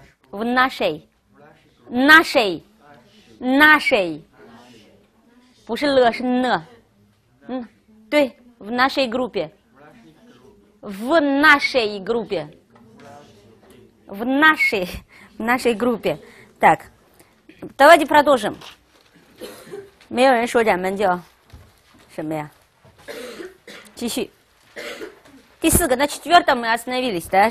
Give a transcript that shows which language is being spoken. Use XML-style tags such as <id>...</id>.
<ru>В нашей, нашей, нашей,</ru> <zh>不是了是呢，对，</zh> <ru>в нашей группе, в нашей группе, в нашей группе. Так, давайте продолжим.</ru> <zh>没有人说咱们叫什么呀？继续。第四个，那</zh> <ru>четвёртом мы остановились, да?</ru>